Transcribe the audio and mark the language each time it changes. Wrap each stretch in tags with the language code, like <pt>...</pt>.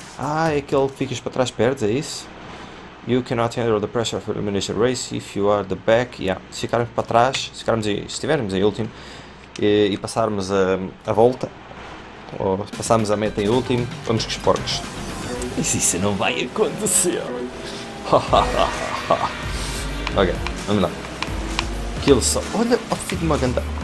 <pt>Ah, é aquele que ficas para trás, perdes, é isso?</pt> <en>You cannot handle the pressure of elimination race if you are the back. Yeah.</en> <pt>Se ficarmos para trás, se estivermos em último e passarmos a volta, ou passarmos a meta em último, vamos com os porcos. Mas isso não vai acontecer. Ok, vamos lá. Kill só. Olha o filho de uma ganda.</pt>